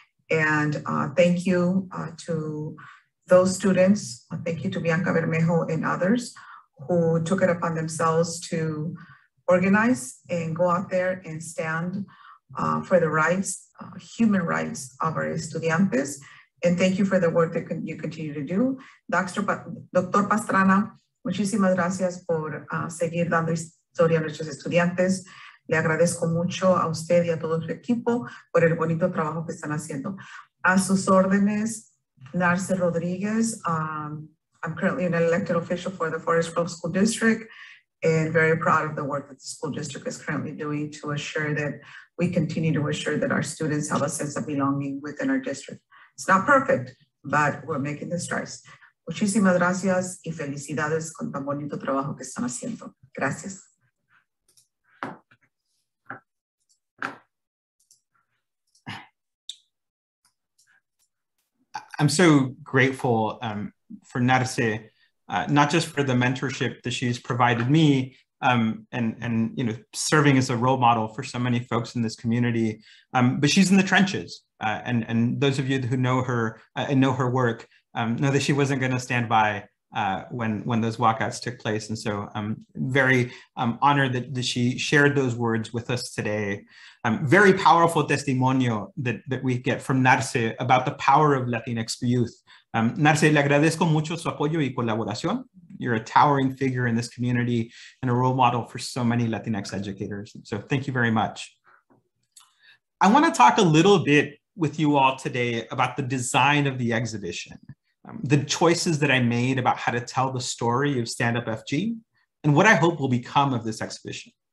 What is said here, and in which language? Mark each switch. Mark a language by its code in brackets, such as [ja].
[en] And thank you to those students. Thank you to Bianca Bermejo and others who took it upon themselves to organize and go out there and stand for the rights, human rights of our estudiantes. And thank you for the work that you continue to do. Dr. [es] Pastrana, muchísimas gracias por seguir dando historia a nuestros estudiantes. Le agradezco mucho a usted y a todo su equipo por el bonito trabajo que están haciendo. A sus órdenes, Narce Rodriguez. [en] I'm currently an elected official for the Forest Grove School District and very proud of the work that the school district is currently doing to assure that we continue to assure that our students have a sense of belonging within our district. It's not perfect, but we're making the strides. [es] Muchísimas gracias y felicidades con tan bonito trabajo que están haciendo. Gracias. [en] I'm so grateful for Narce, not just for the mentorship that she's provided me and you know, serving as a role model for so many folks in this community, but she's in the trenches. And those of you who know her and know her work know that she wasn't gonna stand by when those walkouts took place. And so I'm very honored that she shared those words with us today. Very powerful testimonio that we get from Narce about the power of Latinx youth. [es] Narce, le agradezco mucho su apoyo y colaboración. [en] You're a towering figure in this community and a role model for so many Latinx educators. So thank you very much. I wanna talk a little bit with you all today about the design of the exhibition. The choices that I made about how to tell the story of Stand Up FG and what I hope will become of this exhibition.